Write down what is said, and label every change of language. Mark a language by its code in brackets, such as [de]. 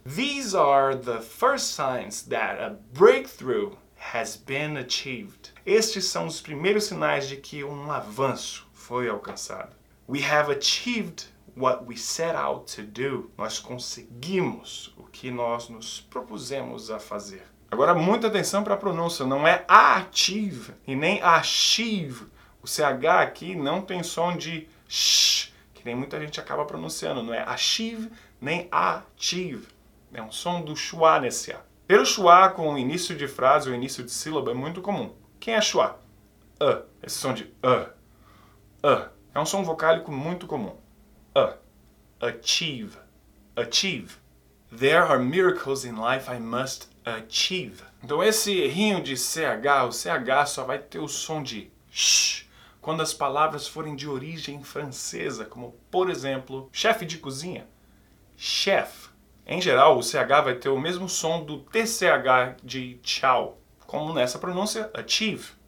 [en] These are the first signs that a breakthrough has been achieved. [pt] Estes são os primeiros sinais de que um avanço foi alcançado. [en] We have achieved what we set out to do. [pt] Nós conseguimos o que nós nos propusemos a fazer. Agora, muita atenção para a pronúncia. Não é achieve e nem achieve. O CH aqui não tem som de sh, que nem muita gente acaba pronunciando. Não é achieve nem achieve. É um som do schwa nesse A. Ter o schwa com o início de frase ou início de sílaba é muito comum. Quem é schwa? Esse som de é um som vocálico muito comum. [en] Achieve. Achieve. There are miracles in life I must achieve. [pt] Então esse rinho de CH, o CH só vai ter o som de sh quando as palavras forem de origem francesa, como por exemplo, chefe de cozinha, chef. Em geral, o CH vai ter o mesmo som do TCH de tchau, como nessa pronúncia, achieve.